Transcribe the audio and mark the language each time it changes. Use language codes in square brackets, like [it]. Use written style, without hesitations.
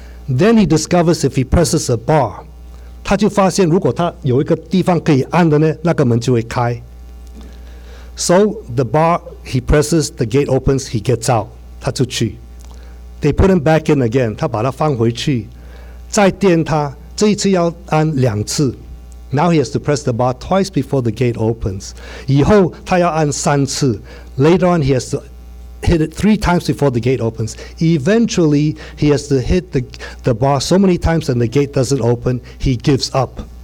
[en] Then he discovers if he presses a bar, [zh] 他就发现如果他有一个地方可以按的呢,那个门就会开。 [en] So the bar, he presses, the gate opens, he gets out, [zh] 他出去。 [en] They put him back in again, [zh] 他把他放回去, 再电他, 这一次要按两次。 [en] Now he has to press the bar twice before the gate opens. [zh] 以后他要按三次, [en] later on he has to hit it three times before the gate opens. Eventually, he has to hit the bar so many times and the gate doesn't open, he gives up.